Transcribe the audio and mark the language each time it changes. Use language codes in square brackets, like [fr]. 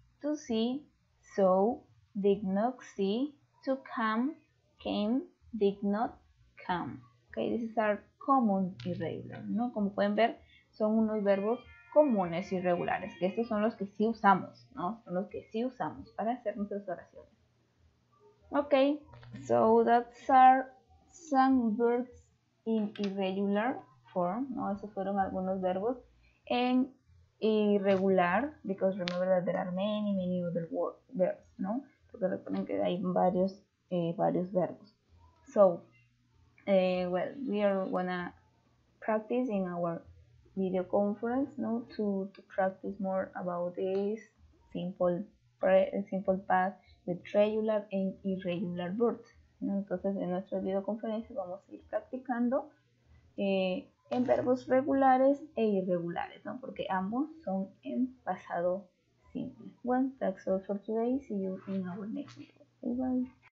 [en] To see, saw, did not see. To come, came, did not come. Okay, these are common irregular, ¿no? [es] Como pueden ver, son unos verbos comunes irregulares. Estos son los que sí usamos, ¿no? Son los que sí usamos para hacer nuestras oraciones. [en] Okay, so that's are some verbs in irregular form, ¿no? [es] Esos fueron algunos verbos en irregular, [en] because remember that there are many, many other verbs, ¿no? [es] Porque recuerden que hay varios, varios verbos. [en] So, well, we are gonna practice in our video conference, ¿no? To practice more about this simple simple past with regular and irregular verbs. [es] Entonces, en nuestra videoconferencia vamos a ir practicando en verbos regulares e irregulares, ¿no? Porque ambos son en pasado simple. [en] Well, that's all for today. See you in our next video. Bye bye.